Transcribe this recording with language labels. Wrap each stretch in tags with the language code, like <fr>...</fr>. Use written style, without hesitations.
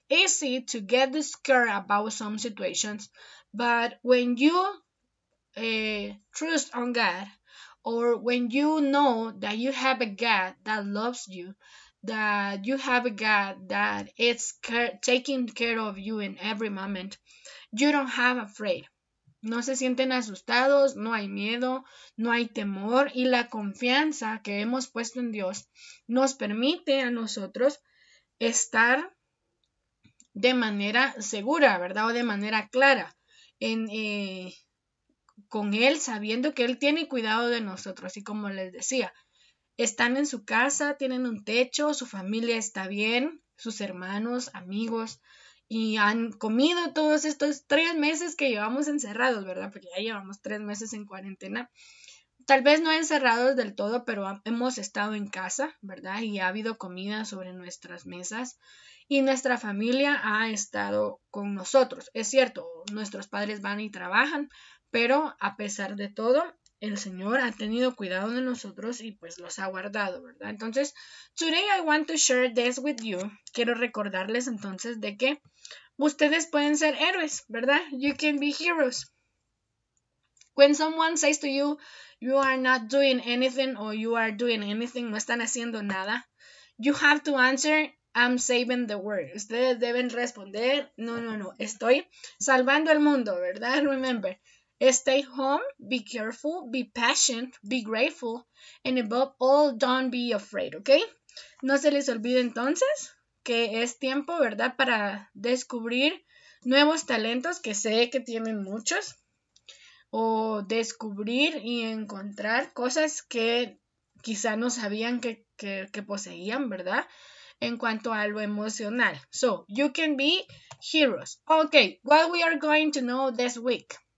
<en>easy to get scared about some situations, but when you trust on God, or when you know that you have a God that loves you, that you have a God that is taking care of you in every moment, you don't have afraid.</en> <es>No se sienten asustados, no hay miedo, no hay temor, y la confianza que hemos puesto en Dios nos permite a nosotros estar de manera segura, ¿verdad? O de manera clara en, con Él, sabiendo que Él tiene cuidado de nosotros. Y como les decía, están en su casa, tienen un techo, su familia está bien, sus hermanos, amigos, y han comido todos estos 3 meses que llevamos encerrados, ¿verdad? Porque ya llevamos 3 meses en cuarentena. Tal vez no encerrados del todo, pero hemos estado en casa, ¿verdad? Y ha habido comida sobre nuestras mesas. Y nuestra familia ha estado con nosotros. Es cierto, nuestros padres van y trabajan, pero a pesar de todo, el Señor ha tenido cuidado de nosotros y pues los ha guardado, ¿verdad?</es> <en>Entonces, today I want to share this with you.</en> <es>Quiero recordarles entonces de que ustedes pueden ser héroes, ¿verdad?</es> <en>You can be heroes. When someone says to you, you are not doing anything or you are doing anything,</en> <es>no están haciendo nada,</es> <en>you have to answer, I'm saving the world.</en> <es>Ustedes deben responder, no, estoy salvando el mundo, ¿verdad?</es> <en>Remember, stay home, be careful, be patient, be grateful, and above all, don't be afraid, ¿ok?</en> <es>No se les olvide entonces que es tiempo, ¿verdad?, para descubrir nuevos talentos, que sé que tienen muchos, o descubrir y encontrar cosas que quizá no sabían que poseían, ¿verdad?, en cuanto a lo emocional.</es> <en>So, you can be heroes. Ok, what we are going to know this week.</en>